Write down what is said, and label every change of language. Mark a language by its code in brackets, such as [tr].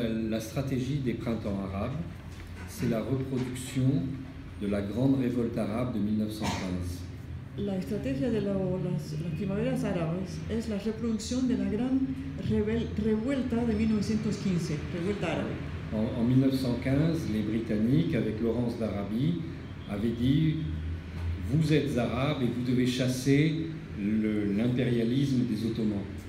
[fr] La stratégie des printemps arabes, c'est la reproduction de la grande révolte arabe de 1915. [es] La estrategia de las primaveras árabes es la reproducción de la gran revuelta de 1915, revuelta árabe. [fr] En 1915, les Britanniques, avec Lawrence d'Arabie, avaient dit, vous êtes arabes et vous devez chasser l'impérialisme des Ottomans.